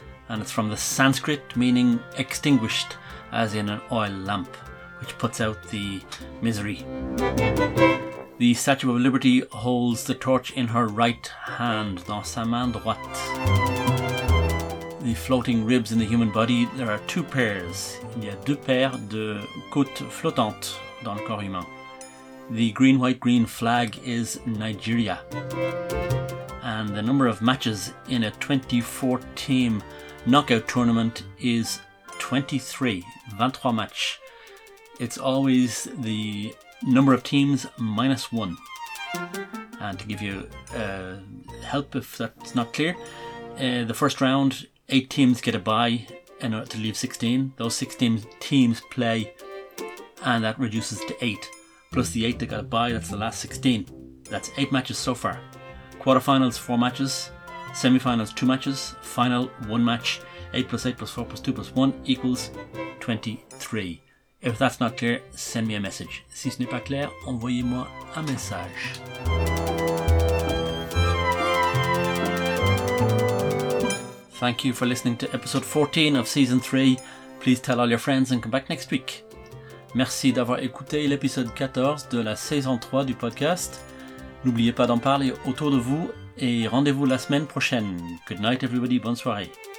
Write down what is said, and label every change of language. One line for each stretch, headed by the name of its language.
English: and it's from the Sanskrit meaning extinguished, as in an oil lamp, which puts out the misery. The Statue of Liberty holds the torch in her right hand,
French: dans sa main droite.
English: The floating ribs in the human body, there are two pairs.
French: Il y a deux paires de côtes flottantes dans le corps humain.
English: The green, white, green flag is Nigeria. And the number of matches in a 24-team knockout tournament is 23. 23 match. It's always the number of teams minus one. And to give you help if that's not clear, the first round, 8 teams get a bye in order to leave 16. Those 16 teams play, and that reduces to 8. Plus the 8 that got a bye, that's the last 16. That's 8 matches so far. Quarterfinals, 4 matches. Semifinals, 2 matches. Final, 1 match. 8 plus 8 plus 4 plus 2 plus 1 equals 23. If that's not clear, send me a message.
French: Si ce n'est pas clair, envoyez-moi un message.
English: Thank you for listening to episode 14 of season 3. Please tell all your friends and come back next week.
French: Merci d'avoir écouté l'épisode 14 de la saison 3 du podcast. N'oubliez pas d'en parler autour de vous et rendez-vous la semaine prochaine.
English: Good night everybody,
French: bonne soirée.